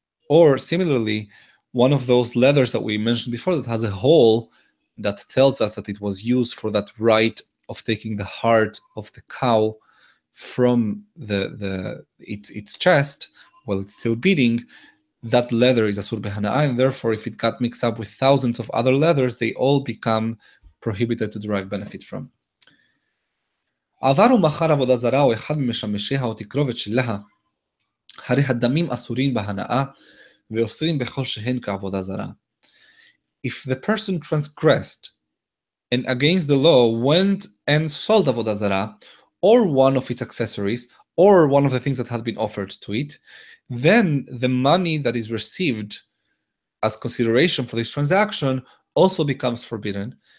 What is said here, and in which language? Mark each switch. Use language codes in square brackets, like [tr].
[en] Or similarly, one of those leathers that we mentioned before that has a hole that tells us that it was used for that rite of taking the heart of the cow from its chest while it's still beating, that leather is asur b'hana'ah, and therefore if it got mixed up with thousands of other leathers, they all become prohibited to derive benefit from. [he] עבר ומחר עבודה זרה או אחד ממשמשיה או תקרובת שלה, הרי הדמים אסורים בהנאה ואוסרים בכל שהן כעבודה זרה. [en] If the person transgressed and against the law went and sold עבודה זרה, or one of its accessories, or one of the things that had been offered to it, then the money that is received as consideration for this transaction also becomes forbidden.